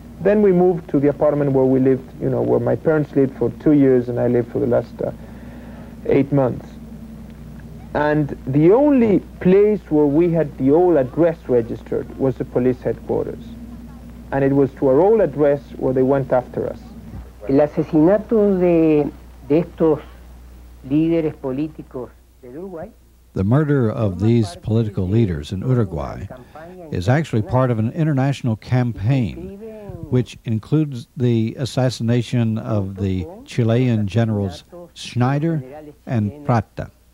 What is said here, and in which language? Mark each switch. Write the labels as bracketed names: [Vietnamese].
[English] Then we moved to the apartment where we lived, you know, where my parents lived for 2 years, and I lived for the last 8 months. And the only place where we had the old address registered was the police headquarters. And it was to our old address where they went after us. [Spanish] El asesinato de estos líderes políticos de Uruguay. [English] The murder of these political leaders in Uruguay is actually part of an international campaign, which includes the assassination of the Chilean generals Schneider and Prata.